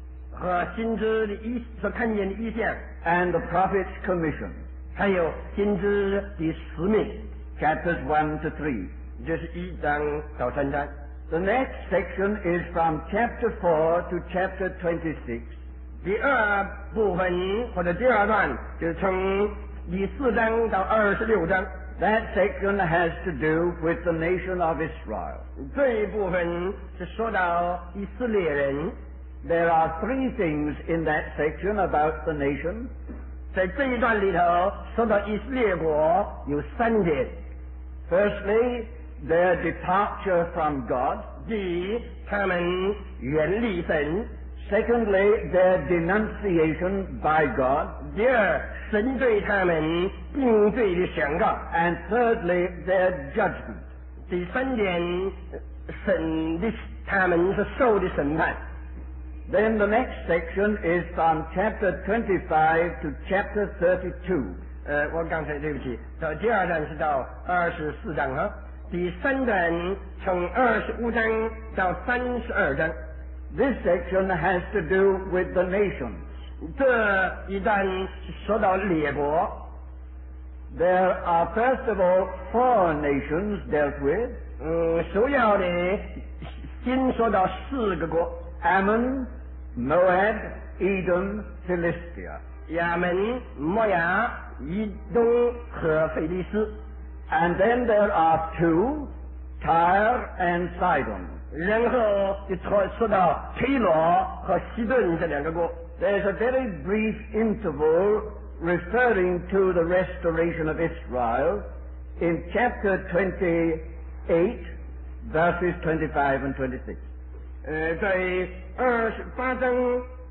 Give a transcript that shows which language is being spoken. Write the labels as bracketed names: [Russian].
[Chinese] 和先知的意所看见的意象 [English] and the prophet's commission [Chinese] 还有先知的使命 [English] chapters 1-3 [Chinese] 就是一章到三章 [English] the next section is from chapter 4 to chapter 26 [Chinese] 第二部分或者第二段就是从第四章到二十六章 [English] That section has to do with the nation of Israel. [Chinese] 这一部分是说到以色列人。 [English] There are three things in that section about the nation. [Chinese] 在这一段里头说到以色列国有三点。 [English] Firstly, their departure from God. [Chinese] 第一，他们远离神。 [English] Secondly, their denunciation by God. [Chinese] 第二，神对他们定罪的宣告。 [English] And thirdly, their judgment. [Chinese] 第三点，神的他们是受的审判。 [English] Then the next section is from chapter 25 to chapter 32. [Chinese] 我刚才对不起，到第二段是到二十四章哈。第三段从二十五章到三十二章。 [English] This section has to do with the nations. [Chinese] 这一段说到列国。 [English] There are first of all four nations dealt with. [Chinese] 首要的先说到四个国。 [English] Ammon, Moab, Edom, Philistia. [Chinese] 亚门、摩押、以东和腓力斯。 [English] And then there are two, Tyre and Sidon. [Chinese] 然后就说到推罗和西顿这两个国。 [English] There's a very brief interval referring to the restoration of Israel in chapter 28, verses 25 and 26. [Chinese] 在二十八章 [English] 26, verse?